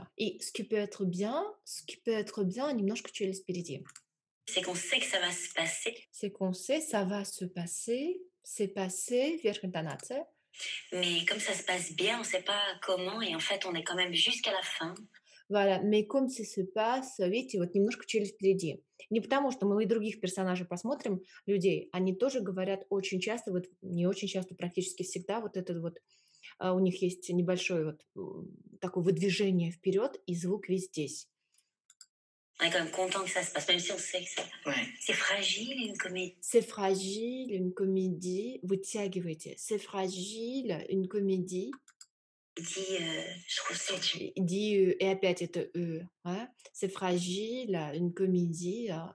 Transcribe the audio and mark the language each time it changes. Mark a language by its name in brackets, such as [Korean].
[French] И ce qui peut être bien, ce qui peut être bien, [Russian] немножко челюсть впереди. [French] C'est qu'on sait que ça va se passer. C'est qu'on sait, ça va se passer. C'est passé, [Russian] верхняя интонация. [French] Mais comme ça se passe bien, on ne sait pas comment, et en fait, on est quand même jusqu'à la fin. Voilà, mais comme ça se passe, [Russian] видите, вот немножко челюсть впереди. Не потому, что мы и других персонажей посмотрим, людей, они тоже говорят очень часто, вот не очень часто, практически всегда, вот этот вот, у них есть небольшое вот такое выдвижение вперед, и звук весь здесь. [French] On est quand même content que ça se passe, même si on sait que ça... Ouais. C'est fragile, une comédie. C'est fragile, une comédie. Vous tiagouetez. C'est fragile, une comédie. Dit, je trouve ça... Dit, et après, c'est hein? C'est fragile, une comédie.